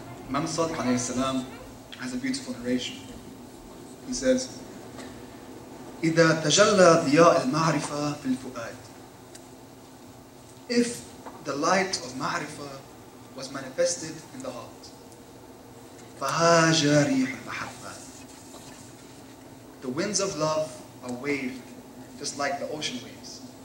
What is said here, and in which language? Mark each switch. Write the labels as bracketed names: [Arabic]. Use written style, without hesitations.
[English] إمام الصادق عليه السلام has a beautiful narration. [Arabic] He says, إِذَا تَجَلَّ ضِيَاءِ الْمَعْرِفَةِ فِي الْفُؤَادِ. [English] If the light of ma'rifah was manifested in the heart, [Arabic] فَهَا جَارِيحُ الْمَحَبَّةِ. [English] The winds of love are waved just like the ocean waves.